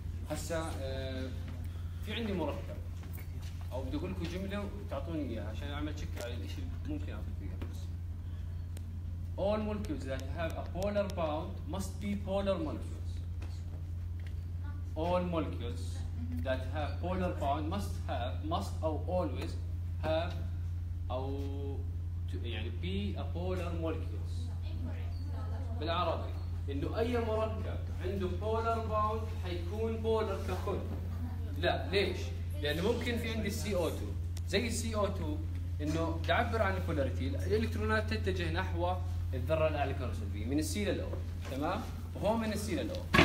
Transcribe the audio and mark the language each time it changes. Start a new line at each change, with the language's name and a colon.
Arabic: هسا في عندي مركب او بدي اقول لكم جمله وتعطوني اياها عشان اعمل تشيك على الشيء ممكن اعطيك اياه.
English: بس all molecules that have a polar bound must be polar molecules. all molecules that have polar bound must have must or always have
Arabic: او يعني
English: be a polar molecules.
Arabic: بالعربي انه اي مركب عنده بولر باوند حيكون بولر ككل. لا ليش؟ لانه ممكن في عندي سي او 2 زي السي او 2 انه تعبر عن البولاريتي، الالكترونات تتجه نحو الذره الاعلى كهروسلبيه من السي للاو تمام، وهو من السي للاو.